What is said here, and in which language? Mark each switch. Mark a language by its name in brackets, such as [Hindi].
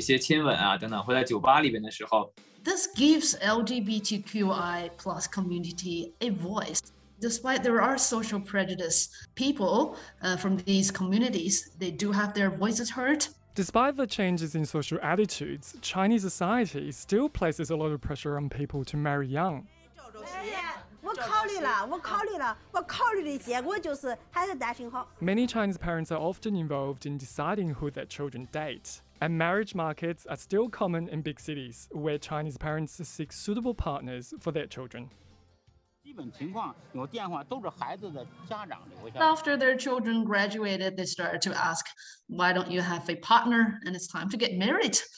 [Chinese] 可以在路上，比如说，两个男生拉拉小手，然后呢，甚至说在一些比较偏僻的地方或者没有很多人的地方，可能会有一些亲吻啊等等，会在酒吧里边的时候。 [English] This gives LGBTQI plus community a voice. Despite there are social prejudice, people from these communities, they do have their voices heard. Despite the changes in social attitudes, Chinese society still places a lot of pressure on people to marry young. [Chinese] 我考虑了，我考虑了，我考虑的结果就是还是单身好。 [English] Many Chinese parents are often involved in deciding who their children date. And marriage markets are still common in big cities, where Chinese parents seek suitable partners for their children. After their children graduated, they started to ask, why don't you have a partner and it's time to get married?